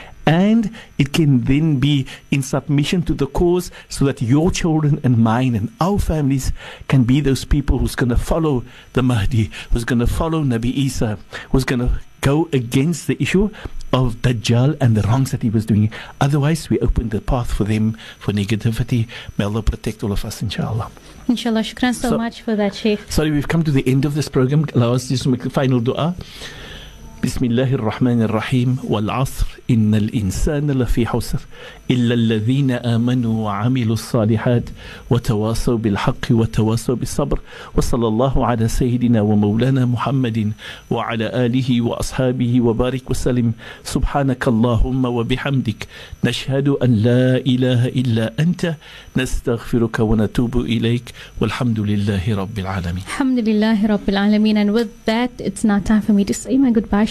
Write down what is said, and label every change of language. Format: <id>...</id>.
<en>And it can then be in submission to the cause so that your children and mine and our families can be those people who's going to follow the Mahdi, who's going to follow Nabi Isa, who's going to go against the issue of Dajjal and the wrongs that he was doing. Otherwise, we open the path for them for negativity. May Allah protect all of us, inshallah. Inshallah. Shukran so much for that, Sheikh. Sorry, we've come to the end of this program. Allow us just to make the final dua.</en> <ar>بسم الله الرحمن الرحيم والعصر إن الإنسان لفي حسر إلا الذين آمنوا وعملوا الصالحات وتواصوا بالحق وتواصوا بالصبر وصلى الله على سيدنا ومولانا محمد وعلى آله وأصحابه وبارك وسلم سبحانك اللهم وبحمدك نشهد أن لا إله إلا أنت نستغفرك ونتوب إليك والحمد لله رب العالمين الحمد لله رب العالمين.</ar> <en>And with that, it's now time for me to say my goodbye.</en>